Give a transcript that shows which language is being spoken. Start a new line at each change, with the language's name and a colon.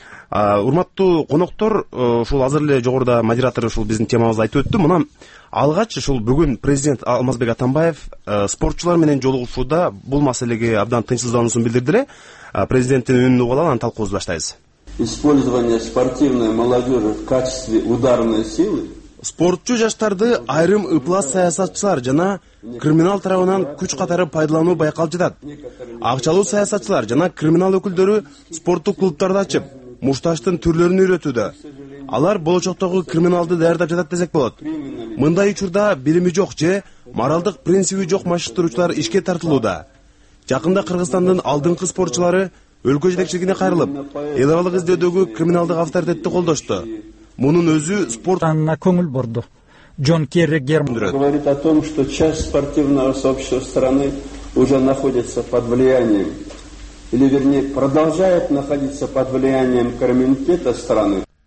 Kyrgyz: Урматтуу коноктор, ушул азыр эле жогоруда модератор ушул биздин темабызды айтып өттү. Мына алгач ушул бүгүн президент Алмазбек Атамбаев спортчулар менен жолугушууда бул маселеге абдан тынчсыздануусун билдирди эле. Президенттин үнүн угуп алалы, анан талкуубузду баштайбыз.
Russian: Использование спортивной молодежи в качестве ударной силы.
Kyrgyz: Спортчу жаштарды айрым ыплас саясатчылар жана криминал тарабынан күч катары пайдалануу байкалып жатат. Акчалуу саясатчылар жана криминал өкүлдөрү спорттук клубтарды ачып, мушташтын түрлөрүн үйрөтүүдө. Алар болочоктогу криминалды даярдап жатат десек болот. Мындай учурда билими жок же моралдык принциби жок машыктыруучулар ишке тартылууда. Жакында Кыргызстандын алдыңкы спортчулары өлкө жетекчилигине кайрылып, эл аралык издөөдөгү криминалдык авторитетти колдошту. Мунун өзү спортуна көңүл бурду. Джон Керри
Russian: говорит о том, что часть спортивного сообщества страны уже находится под влиянием или вернее, продолжает находиться под влиянием криминалитета страны.